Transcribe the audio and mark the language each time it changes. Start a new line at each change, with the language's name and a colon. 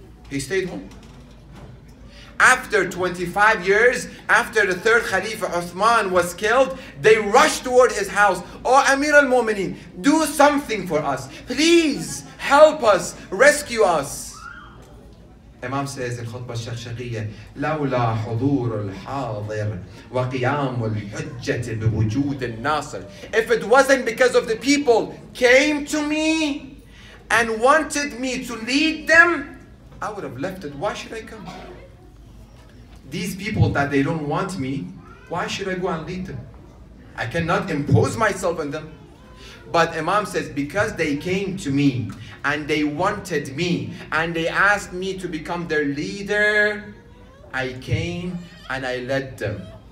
English: He stayed home. After 25 years, after the third Khalifa Uthman was killed, they rushed toward his house. Oh, Amir al-Mu'mineen, do something for us. Please help us, rescue us. Imam says in Khutbah al-Shaqshaqiyya,
Arabic: لولا حضور الحاضر وقيام الحجة بوجود الناصر.
English: If it wasn't because of the people came to me and wanted me to lead them, I would have left it. Why should I come? These people that they don't want me, why should I go and lead them? I cannot impose myself on them. But Imam says, because they came to me and they wanted me and they asked me to become their leader, I came and I led them.